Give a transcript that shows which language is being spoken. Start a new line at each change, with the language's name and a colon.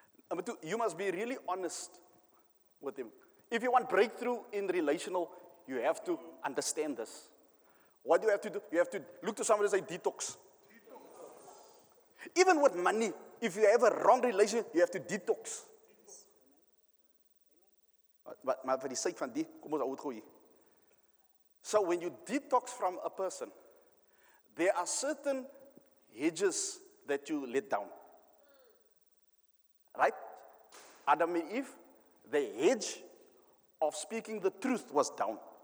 English: Number two, you must be really honest with him. If you want breakthrough in relational, you have to understand this. What do you have to do? You have to look to somebody and say, detox. Even with money, if you have a wrong relationship, you have to detox.
Afrikaans: Maar vir die sake van die, kom ons hou dit gou hier.
English: So when you detox from a person, there are certain hedges that you let down. Right? Adam and Eve, the hedge of speaking the truth was down.